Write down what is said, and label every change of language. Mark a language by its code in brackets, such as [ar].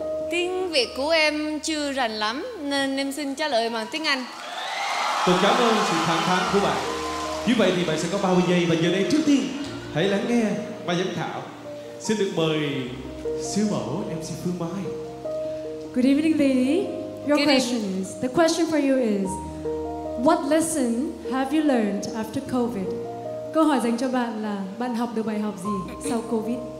[vi] Tiếng Việt của em chưa rành lắm nên em xin trả lời bằng tiếng Anh. Tôi cảm ơn sự thẳng thắn của bạn. Như vậy thì bạn sẽ có 30 giây và giờ đây trước tiên hãy lắng nghe ban giám khảo. Xin được mời siêu mẫu MC Phương Mai. [en] Good evening, lady. Your questions. The question for you is, what lesson have you learned after COVID? [vi] Câu hỏi dành cho bạn là bạn học được bài học gì sau COVID?